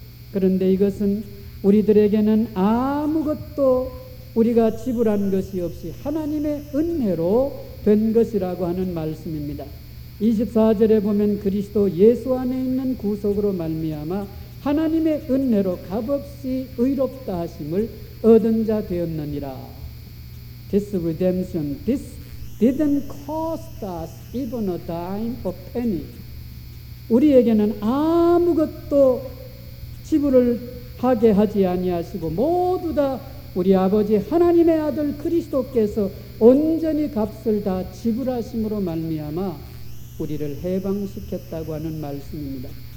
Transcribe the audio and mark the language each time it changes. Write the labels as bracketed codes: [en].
[ko] 그런데 이것은 우리들에게는 아무것도 우리가 지불한 것이 없이 하나님의 은혜로 된 것이라고 하는 말씀입니다. 24절에 보면 그리스도 예수 안에 있는 구속으로 말미암아 하나님의 은혜로 값없이 의롭다 하심을 얻은 자 되었느니라. [en] This redemption, this didn't cost us even a dime or penny. [ko] 우리에게는 아무것도 지불을 하게 하지 아니하시고 모두 다 우리 아버지 하나님의 아들 그리스도께서 온전히 값을 다 지불하심으로 말미암아 우리를 해방시켰다고 하는 말씀입니다.